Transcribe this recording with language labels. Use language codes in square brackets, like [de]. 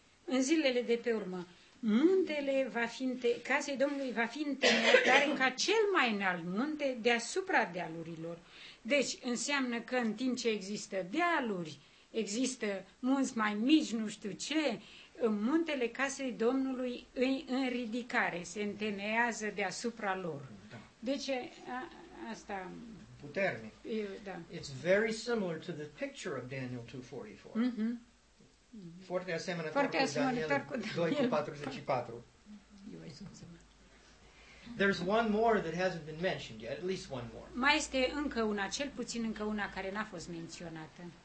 [ro] În zilele de pe urmă. Muntele va fi, casei Domnului va fi întemeiat ca cel mai înalt munte deasupra dealurilor. Deci înseamnă că în timp ce există dealuri, există munți mai mici, nu știu ce, în muntele casei Domnului îi în ridicare, se întemeiază deasupra lor. Deci asta... Puternic. Da. [en] It's very similar to the picture of Daniel 2:44. Mm-hmm. [ro] Foarte asemănător cu Daniel 2:44. [en] There's one more that hasn't been mentioned yet, at least one more. [ro] Mai este încă una, cel puțin încă una care n-a fost menționată.